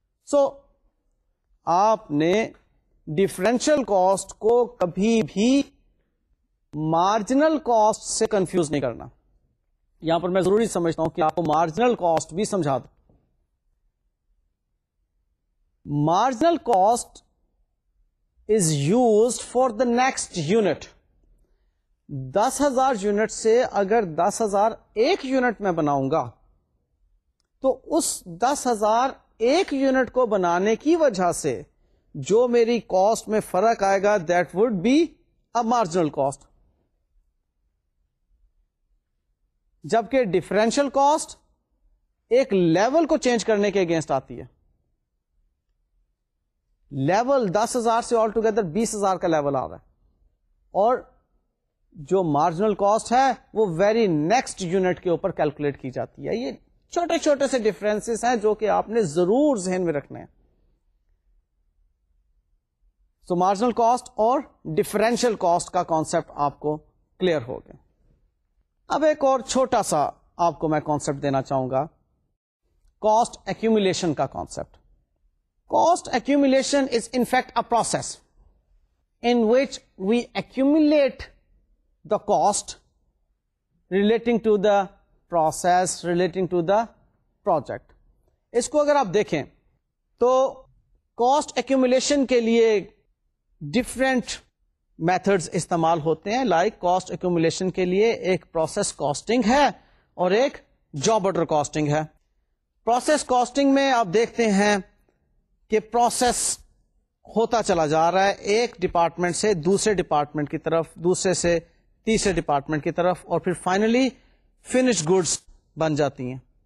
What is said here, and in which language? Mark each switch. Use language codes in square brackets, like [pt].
[ur] سو آپ نے differential cost کو کبھی بھی مارجنل کاسٹ سے کنفیوز نہیں کرنا. یہاں پر میں ضروری سمجھتا ہوں کہ آپ کو مارجنل کاسٹ بھی سمجھا دوں. [en] Marginal cost is used for the next unit. [ur] 10,000 unit سے اگر 10,001 یونٹ میں بناؤں گا تو اس 10,001 یونٹ کو بنانے کی وجہ سے جو میری کاسٹ میں فرق آئے گا [en] that would be a marginal cost, [ur] جبکہ ڈیفرنشل کاسٹ ایک لیول کو چینج کرنے کے اگینسٹ آتی ہے. لیول 10,000 سے آل ٹوگیدر 20,000 کا لیول آ رہا ہے, اور جو مارجنل کاسٹ ہے وہ ویری نیکسٹ یونٹ کے اوپر کیلکولیٹ کی جاتی ہے. یہ چھوٹے چھوٹے سے ڈفرینسز ہیں جو کہ آپ نے ضرور ذہن میں رکھنے ہیں. سو مارجنل کاسٹ اور ڈفرینشیل کاسٹ کا کانسیپٹ آپ کو کلیئر ہو گیا. اب ایک اور چھوٹا سا آپ کو میں کانسیپٹ دینا چاہوں گا, کاسٹ ایکیومولیشن کا concept. [en] Cost accumulation is in fact a process in which we accumulate the cost relating to the process relating to the project. [ur] اس کو اگر آپ دیکھیں تو کاسٹ ایکیومولیشن کے لیے ڈفرینٹ میتھڈز استعمال ہوتے ہیں. لائک کاسٹ ایکیومولیشن کے لیے ایک پروسیس کاسٹنگ ہے اور ایک جاب آرڈر کاسٹنگ ہے. پروسیس کاسٹنگ میں آپ دیکھتے ہیں کہ پروسیس ہوتا چلا جا رہا ہے ایک ڈپارٹمنٹ سے دوسرے ڈپارٹمنٹ کی طرف, دوسرے سے تیسرے ڈپارٹمنٹ کی طرف, اور پھر فائنلی فنش گوڈس بن جاتی ہیں.